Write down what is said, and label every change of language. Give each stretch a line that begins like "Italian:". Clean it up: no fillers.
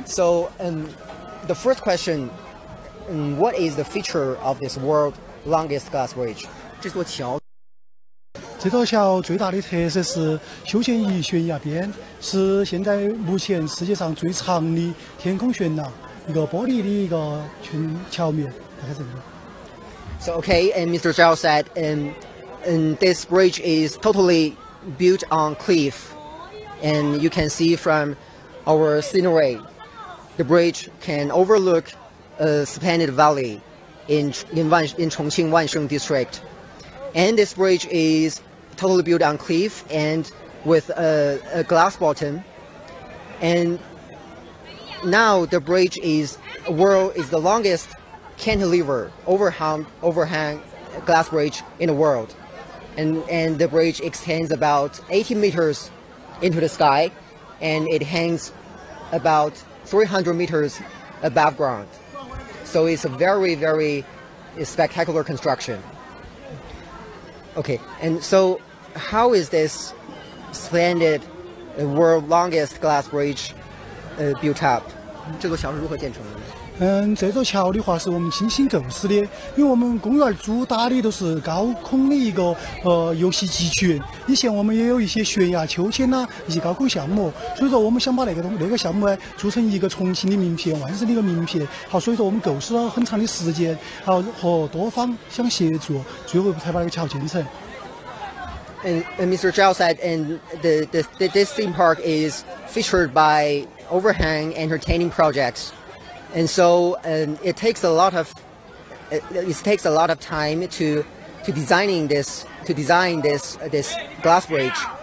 English: So, the first question, what is the feature of this world's longest glass bridge?
Chinese: 这座桥。这座桥最大的特色是修建于悬崖边，是现在目前世界上最长的天空悬廊，一个玻璃的一个全桥面，大概这样。
English: So, okay, and Mr. Gao said, and this bridge is totally built on cliff. And you can see from our scenery, the bridge can overlook a splendid valley in Chongqing Wansheng District. And this bridge is totally built on cliff and with a glass bottom. And now the bridge is the longest cantilever overhang glass bridge in the world. And the bridge extends about 80 meters. Into the sky, and it hangs about 300 meters above ground. So it's a very, very spectacular construction. Okay, and so how is this splendid, world longest glass bridge built up?
Chinese: 这座桥是如何建成的？这座桥的话是我们精心构思的，因为我们公园主打的都是高空的一个游戏集群。以前我们也有一些悬崖、秋千呐、一些高空项目，所以说我们想把那个项目呢做成一个重庆的名片、万盛的一个名片。好，所以说我们构思了很长的时间，好和多方相协助，最后才把那个桥建成。
English: And Mr. Zhao said, and the this theme park is featured by overhang entertaining projects. And so it takes a lot of time to design this glass bridge.